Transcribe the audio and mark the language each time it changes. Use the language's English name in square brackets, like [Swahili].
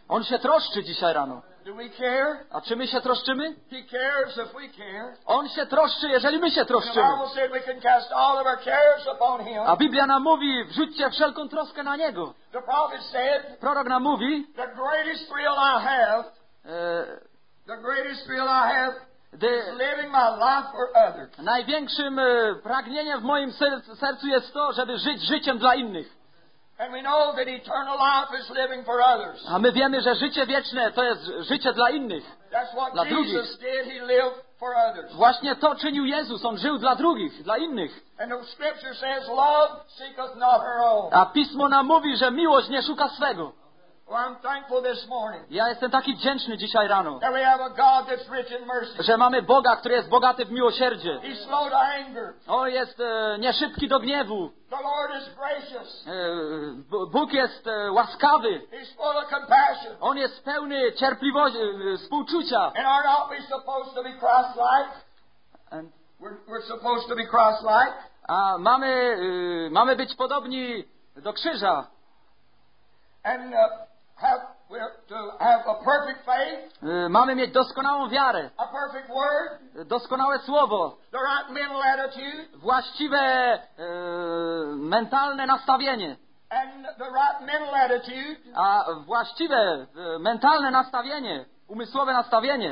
[Polish] On się troszczy dzisiaj rano. [English] Do we care? [Polish] A czy my się troszczymy? [English] He cares if we care. [Polish] On się troszczy, jeżeli my się troszczymy. [English] The Bible said we can cast all of our cares upon him. [Polish] A Biblia nam mówi, wrzućcie wszelką troskę na Niego. [English] The prophet said, [Polish] prorok nam mówi, [English] the greatest thrill I have, the greatest thrill I have, the, is living my life for others. [Polish] Największym pragnieniem w moim sercu jest to, żeby żyć życiem dla innych. [English] And we know that eternal life is living for others. [Polish] A my wiemy, że życie wieczne to jest życie dla innych. [English] That's what [Polish] dla [English] Jesus did, he lived for others. [Polish] Właśnie to czynił Jezus, on żył dla drugich, dla innych. [English] And the scripture says, love seeketh not her own. [Polish] A pismo nam mówi, że miłość nie szuka swego. [English] Well, I'm thankful this morning. [Polish] Ja jestem taki wdzięczny dzisiaj rano. [English] That we have a God that's rich in mercy. [Polish] Że mamy Boga, który jest bogaty w miłosierdzie. [English] He's slow to anger. [Polish] O, jest nieszybki do gniewu. [English] The Lord is gracious. [Polish] Bóg jest łaskawy. [English] He's full of compassion. [Polish] On jest pełny cierpliwości, współczucia. [English] And aren't we supposed to be Christ-like? And we're supposed to be Christ-like. [Polish] A mamy mamy być podobni do krzyża. [English] And have a perfect faith. [Polish] Mamy mieć doskonałą wiarę. [English] A perfect word. [Polish] Doskonałe słowo. [English] The right mental attitude. [Polish] Właściwe mentalne nastawienie. [English] And the right mental attitude. [Polish] A właściwe mentalne nastawienie, umysłowe nastawienie.